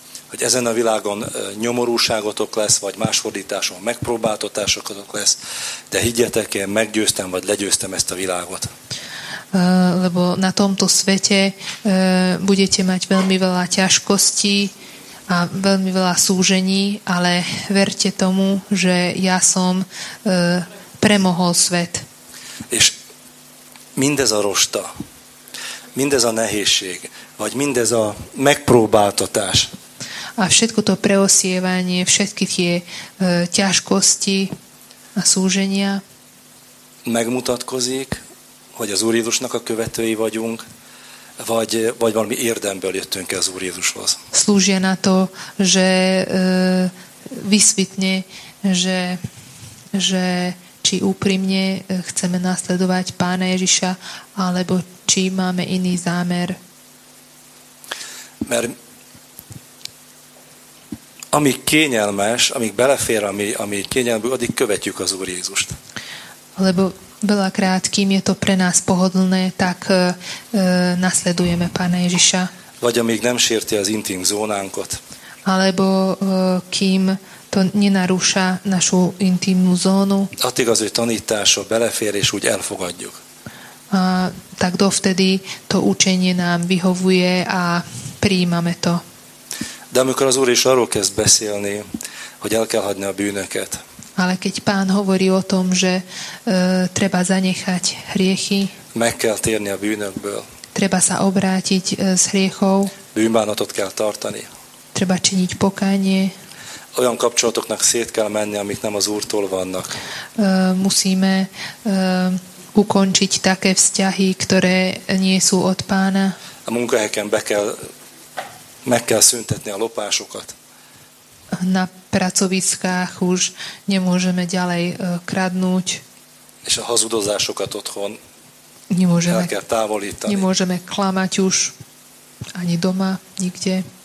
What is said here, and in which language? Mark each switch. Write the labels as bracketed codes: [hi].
[hu] Hogy ezen a világon nyomorúságotok lesz, vagy más fordításon megpróbáltatásokatok lesz, de higgyetek, én meggyőztem, vagy legyőztem ezt a világot. [sk] Lebo na tomto svete budete mať veľmi veľa ťažkostí a veľmi veľa súžení, ale verte tomu, že ja som premohol svet. [hu] És mindez a rosta, mindez a nehézség, vagy mindez a megpróbáltatás. [sk] A všetko to preosievanie, všetky tie ťažkosti a súženia [hu] megmutatkozik, hogy az Úr Jézusnak a követői vagyunk, vagy valami érdemből jöttünk az Úr Jézushoz. [sk] Slúžia na to, že vysvitne, že či úprimne chceme nasledovať Pána Ježiša, alebo či máme iný zámer. [hu] Mert amíg kényelmes, amíg belefér, ami kényelmű, addig követjük az Úr Jézust. [sk] Lebo veľakrát, kým je to pre nás pohodlné, tak nasledujeme Pána Ježiša. [hu] Vagy amíg nem sérti az intim zónánkot. [sk] Alebo kým to nenarúša našu intimnú zónu. [hu] Addig az ő tanítása belefér, és úgy elfogadjuk. [sk] A tak dovtedy to učenie nám vyhovuje a prijímame to. [hu] De amikor az Úr is arról kezd beszélni, hogy el kell hagyni a bűnöket. [sk] Ale keď Pán hovorí o tom, že treba zanechať hriechy, [hu] meg kell térni a bűnökből, [sk] treba sa obrátiť z hriechov, [hu] bűnbánatot kell tartani, [sk] treba činiť pokánie, [hu] olyan kapcsolatoknak szét kell menni, amik nem az Úrtól vannak. [sk] Musíme ukončiť také vzťahy, ktoré nie sú od Pána. [hu] A munkahelyeken meg kell szüntetni a lopásokat. [sk] Na pracoviskách už nemôžeme ďalej kradnúť. [hu] És a hazudozásokat otthon [sk] nemôžeme, [hu] el kell távolítani. [sk] Nemôžeme klamať už ani doma, nikde.